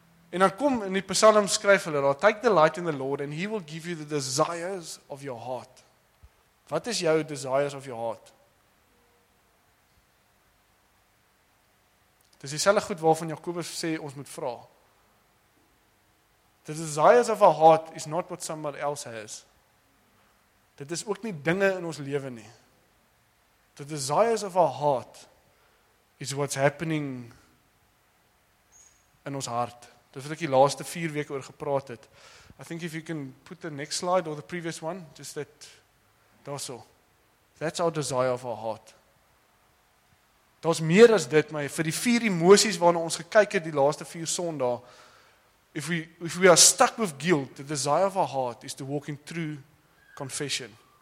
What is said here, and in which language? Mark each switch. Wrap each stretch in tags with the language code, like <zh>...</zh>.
<af>En dan kom, in die psalm skryf hulle,</af> <en>take delight in the Lord, and he will give you the desires of your heart.</en> <af>Wat is jou</af> <en>desires of your heart?</en> <af>Dis dieselfde goed waarvan Jakobus sê ons moet vra.</af> <en>The desires of our heart is not what somebody else has.</en> <af>Dit is ook nie dinge in ons lewe nie.</af> <en>The desires of our heart is what's happening in</en> <af>ons hart. Dis wat ek die laaste 4 weke oor gepraat het.</af> <en>I think if you can put the next slide or the previous one, just that,</en> <af>daarso.</af> <en>That's our desire of our heart.</en> <af>Daar's meer as dit, maar vir die 4 emosies waarna ons gekyk het die laaste 4 Sondae,</af> <en>if we are stuck with guilt, the desire of our heart is to walk in true confession.</en>